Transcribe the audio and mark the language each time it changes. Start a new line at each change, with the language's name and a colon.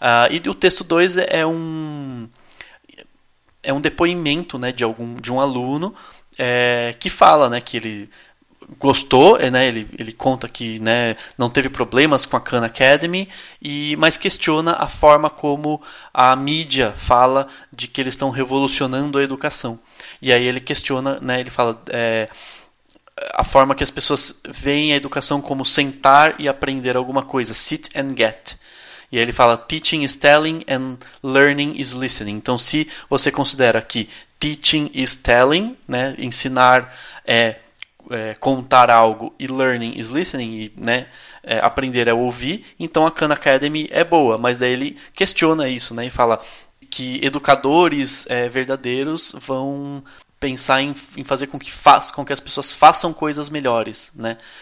Portuguese: E o texto 2 é um depoimento, né, de um aluno que fala, né, que ele gostou, né, ele conta que, né, não teve problemas com a Khan Academy, mas questiona a forma como a mídia fala de que eles estão revolucionando a educação. E aí ele questiona, né, ele fala a forma que as pessoas veem a educação como sentar e aprender alguma coisa,
English: sit and get.
Portuguese: E aí ele fala,
English: teaching is telling and learning is listening.
Portuguese: Então, se você considera que
English: teaching is telling,
Portuguese: né, ensinar contar algo e
English: learning is listening,
Portuguese: né, aprender é ouvir, então a Khan Academy é boa. Mas daí ele questiona isso, né, e fala que educadores verdadeiros vão pensar em fazer com que as pessoas façam coisas melhores, né?